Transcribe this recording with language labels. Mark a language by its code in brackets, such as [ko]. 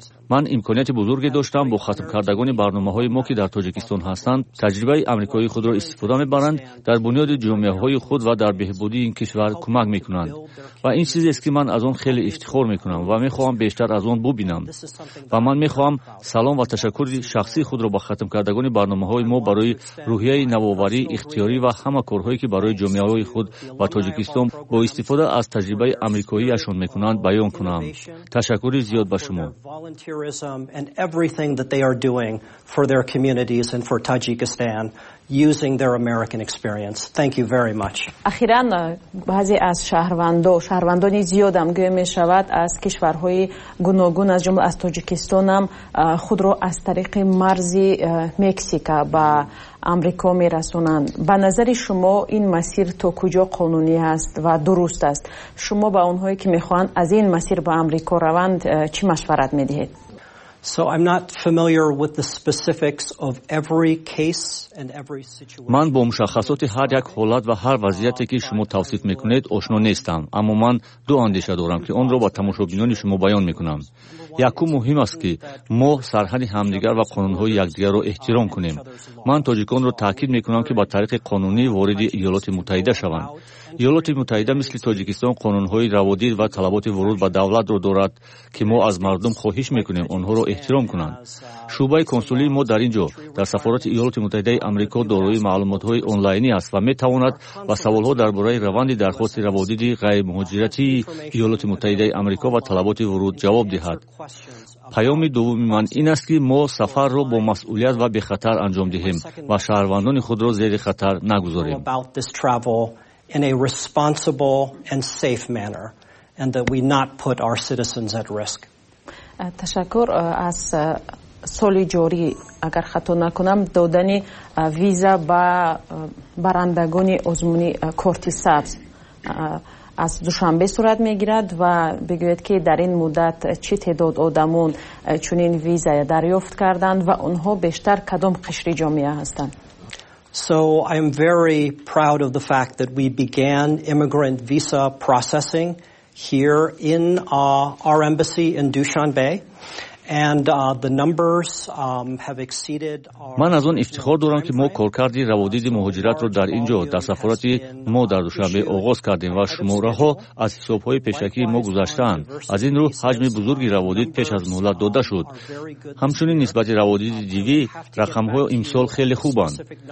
[fa] من امکانیت بزرگی داشتم با ختم کردگان برنامه های ما که در تاجیکستان هستند تجربه امریکایی خود را استفاده می برند، در بنیاد جامعه های خود و در بهبودی این کشور کمک می کنند و این چیزی است که من از آن خیلی افتخار می کنم و می خواهم بیشتر از آن ببینم و من می خواهم سلام و تشکر شخصی خود را با ختم کردگان برنامه های ما برای روحیه نوآوری اختیاری و همه کارهایی که برای جامعه های خود و تاجیکستان با استفاده از تجربه امریکایی اشون می کنند بیان کنم. تشکر زیاد به شما. [en] Volunteerism and everything that they are doing for their communities and for Tajikistan using their American experience. Thank you very much. [fa] اخیراً بعضی از شهروندان زیاد هم گویا می شود از کشورهای گوناگون از جمله از تاجیکستان هم خود را از طریق مرز مکزیکا با آمریکا می رسونند. به نظر شما این مسیر تا کجا قانونی است و درست است؟ شما به اونهایی که می خواهند از این مسیر به آمریکا روند چی مشورت می دهید؟ [en] So I'm not familiar with the specifics of every case and every situation. [fa] من با مشخصات هر یک حالت و هر وضعیتی که شما توصیف میکنید آشنا نیستم، اما من دو اندیشه دارم که اون رو با تماشابینان شما بیان میکنم. یکو مهم است که ما سرحد همدیگر و قانونهای یکدیگر رو احترام کنیم. من تاجیکان رو تاکید میکنم که با طریق قانونی وارد ایالات متحده شوند. ایالات متحده مثل تاجیکستان قانونهای روادید و طلبات ورود به دولت رو دارد که ما از مردم خواهش میکنیم اونها رو احترام کنند. شعبه کنسولی ما در اینجا در سفارت ایالات متحده آمریکا دارای معلومات های آنلاین است و میتواند با سوال ها درباره روند درخواست روادید غیر مهاجرتی ایالات متحده آمریکا و طلبات ورود جواب دهد. پیام دومی من این است که ما سفر را با مسئولیت و به خطر انجام دهیم و شهروندان خود را زیر خطر نگذاریم. [en] In a responsible and safe manner, and that we not put our citizens at risk. [fa] تشکر از سال جاری اگر خطا نکنم دادن ویزا با برندگان آزمون کارت سبز از دوشنبه صورت میگیرد و بگوید که در این مدت چه تعداد آدمون چنین ویزا دریافت کردند و اونها بیشتر کدام قشر جامعه هستند. [en] So I am very proud of the fact that we began immigrant visa processing here in our embassy in Dushanbe. And the numbers have exceeded our [fa] من از اون افتخار دارم که ما کارکرد روادید مهاجرت رو در اینجا در سفارت ما در دوشنبه آغاز کردیم و شماره ها از حساب های پیشکی ما گذشتند. از این رو حجم بزرگی روادید پیش از مهلت داده شد. همچنین نسبت روادید دیوی رقم های امسال خیلی خوبند.